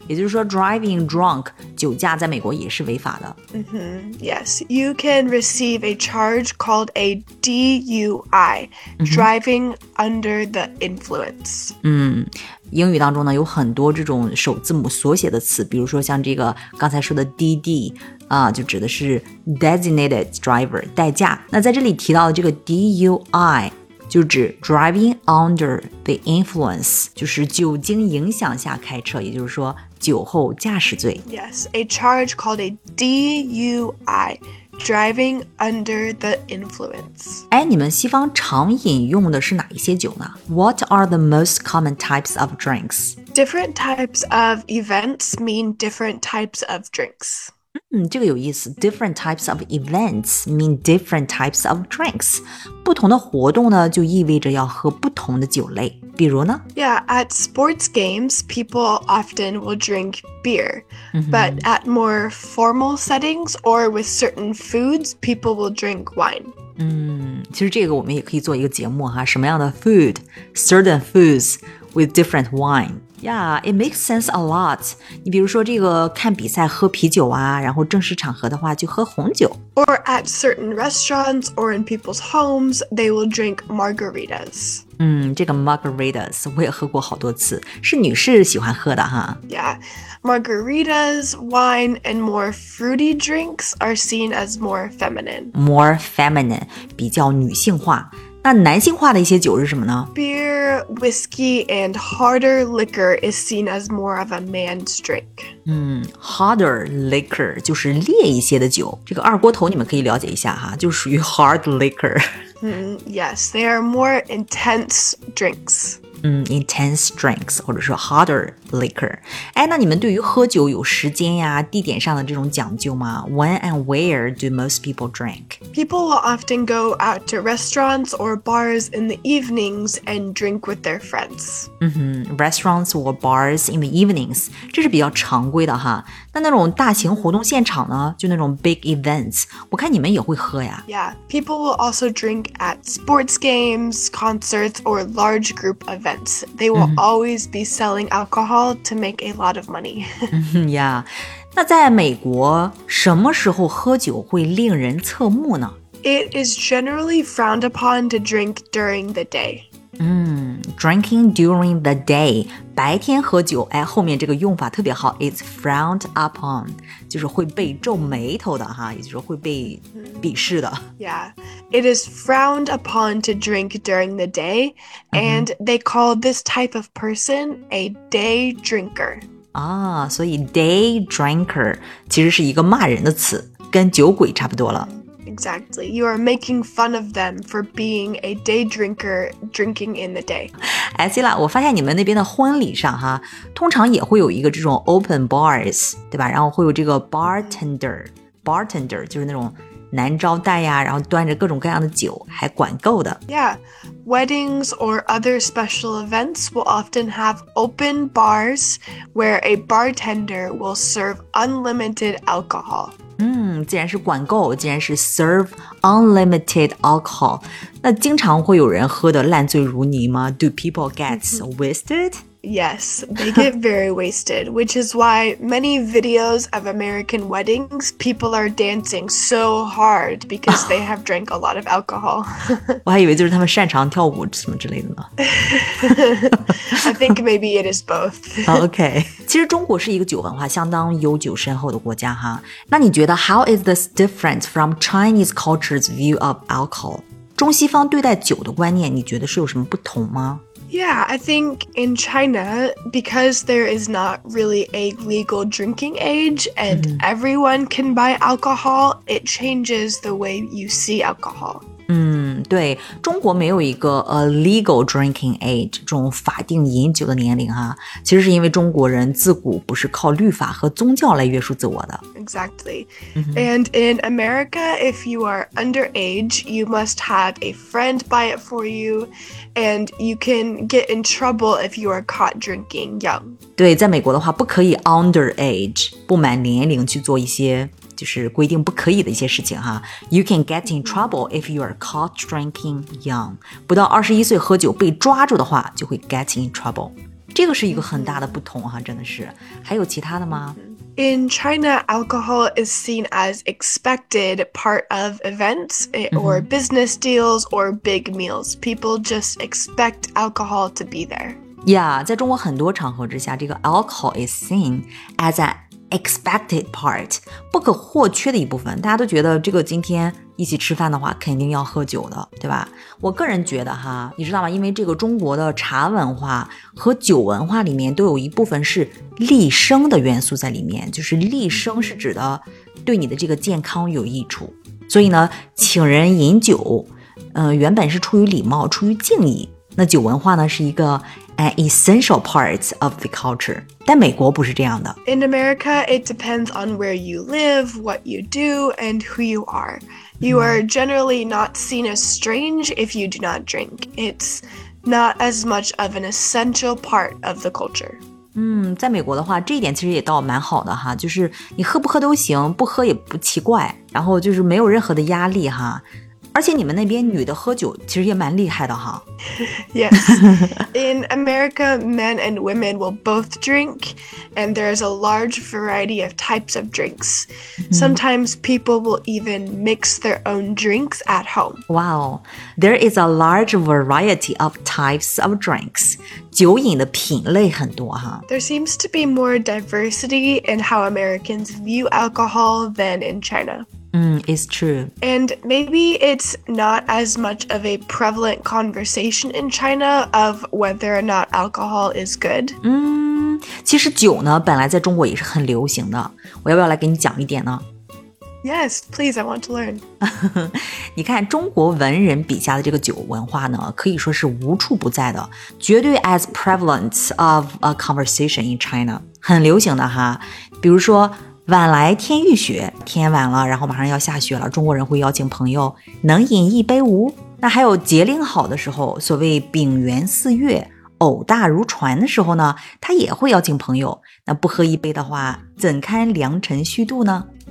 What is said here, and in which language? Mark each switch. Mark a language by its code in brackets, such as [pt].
[zh] 也就是说 [en] driving drunk, [zh] 酒驾在美国也是违法的。 [en] Yes, you can receive a charge called a DUI, driving under the influence. [zh] 英语当中呢有很多这种首字母缩写的词，比如说像这个刚才说的 DD,就指的是 [en] designated driver, [zh] 代驾。那在这里提到的这个 DUI, 就指 [en] driving under the influence, [zh] 就是酒精影响下开车，也就是说酒后驾驶罪。 [en] Yes, a charge called a DUI, driving under the influence. [zh] 哎，你们西方常饮用的是哪一些酒呢？ [en] What are the most common types of drinks? Different types of events mean different types of drinks. [zh] 这个有意思。 [en] Different types of events mean different types of drinks. [zh] 不同的活动呢，就意味着要喝不同的酒类。比如呢？ [en] Yeah, at sports games, people often will drink beer. But at more formal settings or with certain foods, people will drink wine. [zh] 其实这个我们也可以做一个节目哈，什么样的 food, [en] certain foods with different wine. Yeah, it makes sense a lot. [zh] 你比如说这个看比赛喝啤酒啊，然后正式场合的话就喝红酒。 [en] Or at certain restaurants or in people's homes, they will drink margaritas. [zh] 这个 margaritas 我也喝过好多次，是女士喜欢喝的哈。 [en] Yeah, margaritas, wine, and more fruity drinks are seen as more feminine. More feminine, [zh] 比较女性化。那男性化的一些酒是什么呢？ [en] Beer, whiskey, and harder liquor is seen as more of a man's drink. Harder liquor [zh] 就是烈一些的酒，这个二锅头你们可以了解一下哈，就属于 [en] hard liquor. Yes, they are more intense drinks. Intense drinks, [zh] 或者说 [en] harder liquor. [zh] 哎，那你们对于喝酒有时间呀、地点上的这种讲究吗？ [en] When and where do most people drink? People will often go out to restaurants or bars in the evenings and drink with their friends. Restaurants or bars in the evenings, [zh] 这是比较常规的哈。那种大型活动现场呢，就那种 [en] big events, [zh] 我看你们也会喝呀。 [en] Yeah, people will also drink at sports games, concerts, or large group events. They will always be selling alcohol all to make a lot of money. Yeah. [zh] 那在美国什么时候喝酒会令人侧目呢？ [en] It is generally frowned upon to drink during the day. Drinking during the day. [zh] 白天喝酒，哎，后面这个用法特别好。 [en] It's frowned upon. [zh] 就是会被皱眉头的哈，也就是会被鄙视的。 [en] Yeah. It is frowned upon to drink during the day. And they call this type of person a day drinker. [zh] 啊，所以 day drinker 其实是一个骂人的词，跟酒鬼差不多了。 [en] Exactly. You are making fun of them for being a day drinker drinking in the day. [zh] 哎 ,Sila, 我发现你们那边的婚礼上哈通常也会有一个这种 [en] open bars, [zh] 对吧然后会有这个 bartender, 就是那种男招待呀然后端着各种各样的酒还管够的。 [en] Yeah, weddings or other special events will often have open bars where a bartender will serve unlimited alcohol. [zh] 既然是管够，既然是 [en] serve unlimited alcohol， [zh] 那经常会有人喝得烂醉如泥吗？ [en] Do people get so wasted? Yes, they get very wasted, which is why many videos of American weddings, people are dancing so hard because they have drank a lot of alcohol. [zh] 我还以为就是他们擅长跳舞什么之类的呢。 [en] I think maybe it is both. Okay. [zh] 其实中国是一个酒文化相当悠久深厚的国家哈。那你觉得 [en] how is this different from Chinese culture's view of alcohol? [zh] 中西方对待酒的观念你觉得是有什么不同吗？ [en] Yeah, I think in China, because there is not really a legal drinking age and everyone can buy alcohol, it changes the way you see alcohol. [zh] 对，中国没有一个 [en] a legal drinking age, [zh] 这种法定饮酒的年龄啊，其实是因为中国人自古不是靠律法和宗教来约束自我的。 [en] Exactly. And in America, if you are underage, you must have a friend buy it for you, and you can get in trouble if you are caught drinking young. [zh] 对，在美国的话，不可以 underage, 不满年龄去做一些就是规定不可以的一些事情哈。 [en] You can get in trouble if you are caught drinking young. [zh] 不到21岁喝酒被抓住的话，就会 [en] get in trouble. [zh] 这个是一个很大的不同哈，真的是。还有其他的吗？ [en] In China, alcohol is seen as expected part of events or business deals or big meals. People just expect alcohol to be there. [zh] Yeah, 在中国很多场合之下，这个 [en] alcohol is seen as an expected part, [zh] 不可或缺的一部分。大家都觉得这个今天一起吃饭的话，肯定要喝酒的，对吧？我个人觉得哈，你知道吗？因为这个中国的茶文化和酒文化里面都有一部分是利生的元素在里面，就是利生是指的对你的这个健康有益处。所以呢，请人饮酒，原本是出于礼貌，出于敬意。那酒文化呢，是一个 [en] an essential part of the culture. [zh] 但美国不是这样的。 [en] In America, it depends on where you live, what you do, and who you are. You are generally not seen as strange if you do not drink. It's not as much of an essential part of the culture. [zh] 在美国的话，这一点其实也倒蛮好的哈，就是你喝不喝都行，不喝也不奇怪，然后就是没有任何的压力哈。而且你们那边女的喝酒其实也蛮厉害的哈。 [en] Yes. In America, men and women will both drink, and there is a large variety of types of drinks. Sometimes people will even mix their own drinks at home. Wow. There is a large variety of types of drinks. [zh] 酒饮的品类很多哈。 [en] There seems to be more diversity in how Americans view alcohol than in China. It's true. And maybe it's not as much of a prevalent conversation in China of whether or not alcohol is good. [zh] 其实酒呢本来在中国也是很流行的。我要不要来给你讲一点呢？ [en] Yes, please, I want to learn. [zh] 你看中国文人笔下的这个酒文化呢可以说是无处不在的。绝对 [en] as prevalent of a conversation in China. [zh] 很流行的哈。比如说晚来天欲雪，天晚了，然后马上要下雪了，中国人会邀请朋友，能饮一杯无？那还有节令好的时候，所谓丙元四月，偶大如船的时候呢，他也会邀请朋友，那不喝一杯的话，怎堪良辰虚度呢？